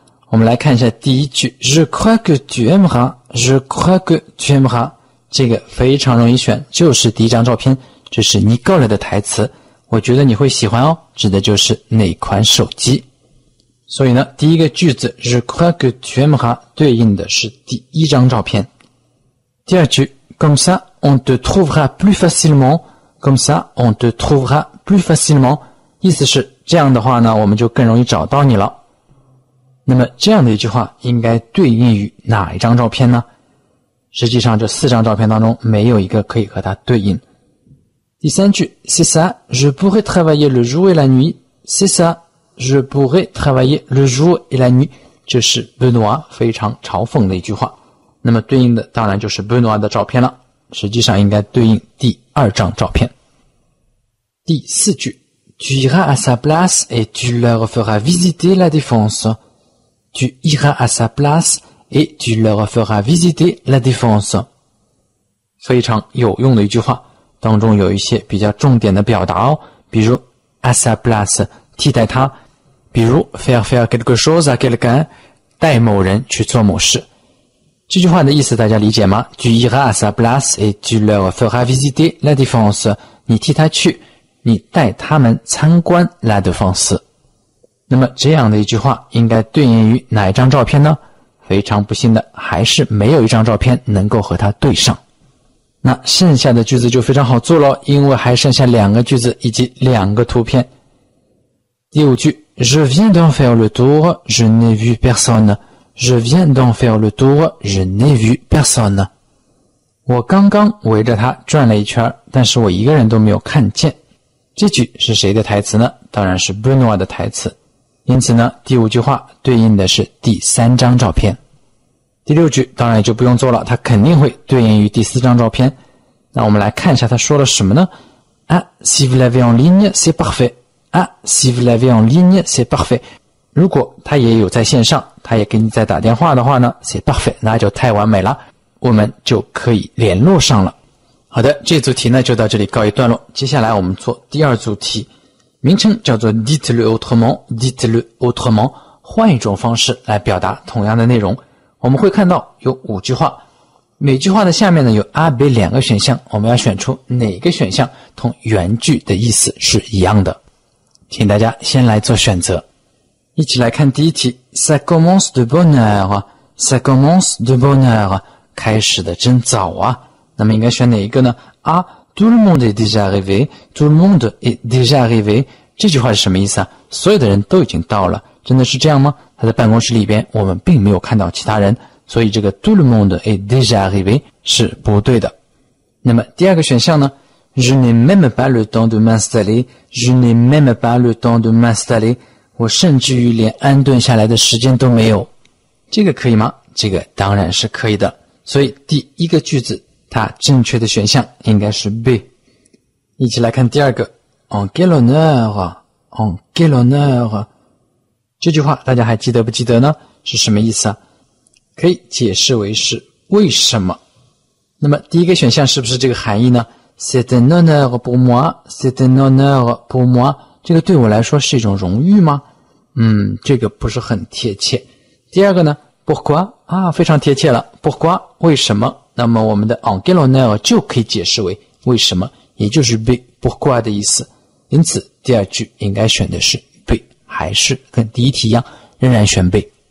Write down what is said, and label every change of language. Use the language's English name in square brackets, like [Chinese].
[Chinese] 我们来看一下第一句 [French] Je crois que tu aimeras [Chinese] Je crois que tu aimeras， 这个非常容易选，就是第一张照片，这是 Nicole 的台词，我觉得你会喜欢哦，指的就是哪款手机。所以呢，第一个句子 [French] Je crois que tu aimeras [Chinese] 对应的是第一张照片。第二句 [French] Comme ça on te trouvera plus facilement Comme ça on te trouvera plus facilement， [Chinese] 意思是这样的话呢，我们就更容易找到你了。那么这样的一句话应该对应于哪一张照片呢？实际上这四张照片当中没有一个可以和它对应。第三句 [French] C'est ça, je pourrais travailler le jour et la nuit C'est ça, je pourrais travailler le jour et la nuit， [Chinese] 这是 Benoît 非常嘲讽的一句话。那么对应的当然就是 Benoît 的照片了，实际上应该对应第二张照片。第四句， [French] Tu iras à sa place et tu leur feras visiter la défense. Tu iras à sa place et tu leur feras visiter la défense. [Chinese] 非常有用的一句话，当中有一些比较重点的表达哦，比如 à sa place 替代他，比如 [French] faire quelque chose à quelqu'un [Chinese] 带某人去做某事。这句话的意思大家理解吗？ [French] Tu iras à sa place et tu leur feras visiter la défense. [Chinese] 你替他去，你带他们参观 la défense. 那么这样的一句话应该对应于哪一张照片呢？非常不幸的还是没有一张照片能够和它对上。那剩下的句子就非常好做了，因为还剩下两个句子以及两个图片。第五句， [French] Je viens d'en faire le tour, je n'ai vu personne. Je viens d'en faire le tour, je n'ai vu personne. [Chinese] 我刚刚围着它转了一圈，但是我一个人都没有看见。这句是谁的台词呢？当然是 Benoît 的台词。因此呢，第五句话对应的是第三张照片。第六句当然也就不用做了，它肯定会对应于第四张照片。那我们来看一下它说了什么呢？ [French] Ah, si vous l'avez en ligne, c'est parfait. Ah, si vous l'avez en ligne, c'est parfait. [Chinese] 如果它也有在线上，它也给你在打电话的话呢， [French] c'est parfait, [Chinese] 那就太完美了，我们就可以联络上了。好的，这组题呢就到这里告一段落，接下来我们做第二组题，名称叫做 [French] dites-le autrement, dites-le autrement, [Chinese] 换一种方式来表达同样的内容。我们会看到有五句话，每句话的下面呢有 A、B 两个选项，我们要选出哪个选项同原句的意思是一样的。请大家先来做选择。一起来看第一题， [French] Ça commence de bonne heure, ça commence de bonne heure, [Chinese] 开始的真早啊。那么应该选哪一个呢？ [French] A, tout le monde est déjà arrivé, tout le monde est déjà arrivé, [Chinese] 这句话是什么意思啊？所有的人都已经到了，真的是这样吗？他在办公室里边我们并没有看到其他人，所以这个 [French] tout le monde est déjà arrivé [Chinese] 是不对的。那么第二个选项呢， [French] Je n'ai même pas le temps de m'installer, je n'ai même pas le temps de m'installer, [Chinese] 我甚至于连安顿下来的时间都没有。这个可以吗？这个当然是可以的，所以第一个句子它正确的选项应该是 B。一起来看第二个， [French] En quel honneur, en quel honneur, [Chinese] 这句话大家还记得不记得呢？是什么意思啊？可以解释为是为什么。那么第一个选项是不是这个含义呢？ [French] C'est un honneur pour moi, c'est un honneur pour moi, [Chinese] 这个对我来说是一种荣誉吗？这个不是很贴切。第二个呢， [French] Pourquoi? [Chinese] 啊，非常贴切了， Pourquoi? 为什么？那么我们的 [French] En quel honneur [Chinese] 就可以解释为为什么，也就是 B, Pourquoi 的意思。因此第二句应该选的是还是跟第一题一样，仍然选 B。